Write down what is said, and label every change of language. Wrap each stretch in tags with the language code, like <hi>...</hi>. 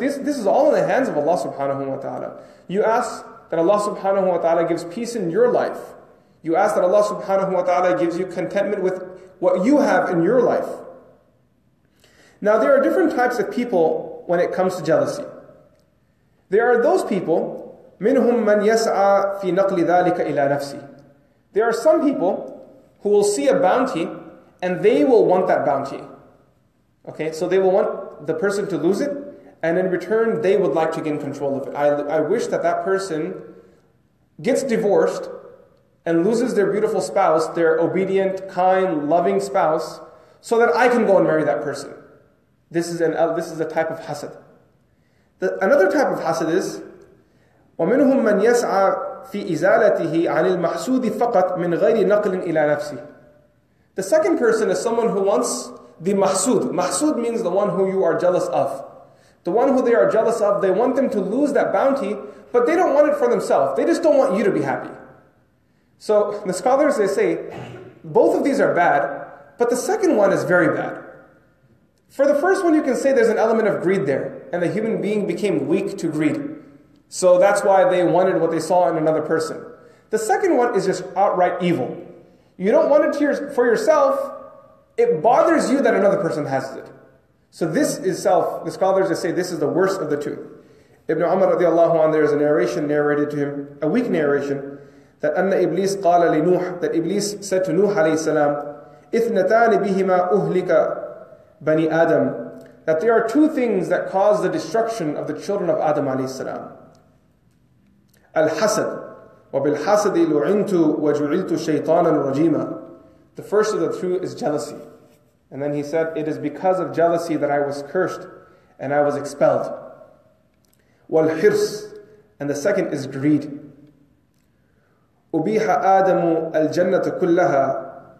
<en>This is all in the hands of Allah subhanahu wa ta'ala. You ask that Allah subhanahu wa ta'ala gives peace in your life. You ask that Allah subhanahu wa ta'ala gives you contentment with what you have in your life. Now there are different types of people when it comes to jealousy. There are those people,</en> <ar>مِنْهُمْ مَنْ يَسْعَى فِي نَقْلِ ذَلِكَ إِلَىٰ نَفْسِي.</ar> <en>There are some people who will see a bounty and they will want that bounty. Okay, so they will want the person to lose it, and in return they would like to gain control of it. I wish that that person gets divorced and loses their beautiful spouse, their obedient, kind, loving spouse, so that I can go and marry that person. This is a type of hasad. Another type of hasad is,</en> <ar>وَمِنْهُمْ مَنْ يَسْعَى فِي إِزَالَتِهِ عَنِ الْمَحْسُودِ فَقَطْ مِنْ غَيْرِ نَقْلٍ إِلَىٰ نَفْسِهِ.</ar> <en>The second person is someone who wants the mahsud. Mahsud means the one who you are jealous of. The one who they are jealous of, they want them to lose that bounty, but they don't want it for themselves. They just don't want you to be happy. So the scholars, they say, both of these are bad, but the second one is very bad. For the first one, you can say there's an element of greed there, and the human being became weak to greed. So that's why they wanted what they saw in another person. The second one is just outright evil. You don't want it for yourself, it bothers you that another person has it. So this itself, the scholars just say, this is the worst of the two. Ibn Umar radiallahu anhu, there is a narration narrated to him, a weak narration, that</en> <ar>anna Iblis qala li Nuh,</ar> <en>that Iblis said to Nuh alayhi salam,</en> <ar>ithnatani bihima uhlika bani Adam,</ar> <en>that there are two things that cause the destruction of the children of Adam alayhi salam.</en> <ar>Al-hasad, وَبِالْحَسَدِ لُعِنْتُ وَجُعِلْتُ شَيْطَانًا رَجِيمًا.</ar> <en>The first of the two is jealousy. And then he said, it is because of jealousy that I was cursed and I was expelled. وَالْحِرْسِ, and the second is greed.</en> <ar>أُبِيحَ آدَمُ الْجَنَّةَ كُلَّهَا.</ar>